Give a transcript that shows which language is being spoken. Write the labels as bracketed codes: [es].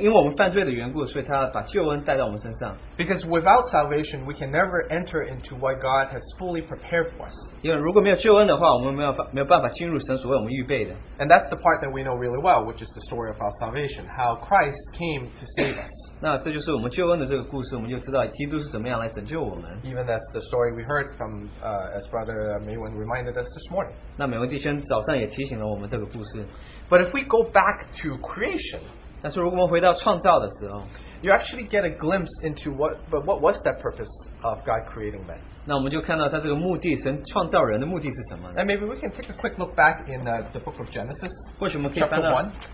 [zh] 有罪了之后，但因为我们犯罪的缘故，所以他把救恩带到我们身上。 [en] Because without salvation, we can never enter into what God has fully prepared for us. [zh] 因为如果没有救恩的话，我们没有办法进入神所为我们预备的。 [en] And that's the part that we know really well, which is the story of our salvation, how Christ came to save us. [zh] 那这就是我们救恩的这个故事，我们就知道基督是怎么样来拯救我们。 [en] Even that's the story we heard from as Brother Maywen reminded us this morning. [zh] 那每位弟兄早上也提醒了我们这个故事。 [en] But if we go back to creation, you actually get a glimpse into what was that purpose of God creating man. And maybe we can take a quick look back in the book of Genesis, chapter 1.